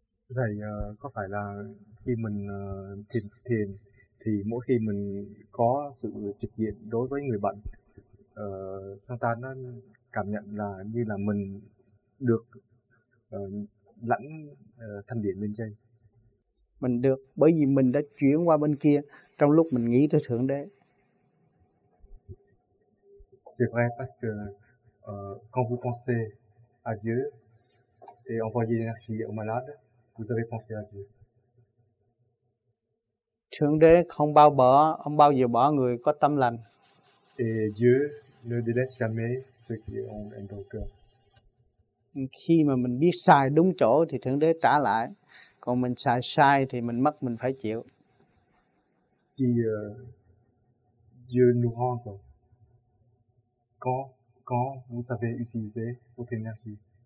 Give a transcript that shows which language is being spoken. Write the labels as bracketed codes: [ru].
[vi] Vậy có phải là khi mình thiền thì mỗi khi mình có sự trực diện đối với người bệnh, chúng ta nó cảm nhận là như là mình được lãnh thanh điển bên trên. Mình được, bởi vì mình đã chuyển qua bên kia trong lúc mình nghĩ tới Thượng Đế. [fr] C'est vrai parce que quand vous pensez à Dieu et envoyez l'énergie au malade, vous avez pensé à Dieu. [vi] Thượng Đế không bao bỏ, ông bao giờ bỏ người có tâm lành. [fr] Et Dieu ne délaisse jamais ceux qui ont un bon cœur. [vi] Khi mà mình biết sai đúng chỗ thì Thượng Đế trả lại. Còn mình sai sai thì mình mất, mình phải chịu. [fr] Si Dieu nous rend, quand vous savez utiliser votre énergie.